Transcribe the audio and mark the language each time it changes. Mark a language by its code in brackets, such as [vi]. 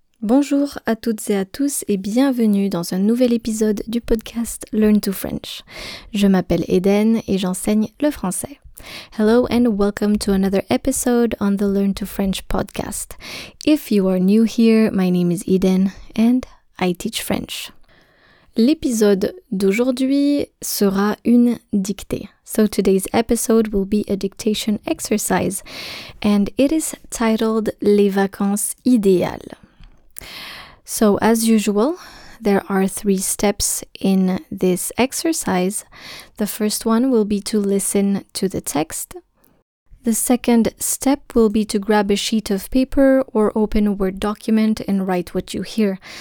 [fr] Bonjour à toutes et à tous et bienvenue dans un nouvel épisode du podcast Learn to French. Je m'appelle Eden et j'enseigne le français. [en] Hello and welcome to another episode on the Learn to French podcast. If you are new here, my name is Eden and I teach French. [fr] L'épisode d'aujourd'hui sera une dictée. [en] So today's episode will be a dictation exercise and it is titled Les vacances idéales. So as usual, there are three steps in this exercise. The first one will be to listen to the text. The second step will be to grab a sheet of paper or open a Word document and write what you hear.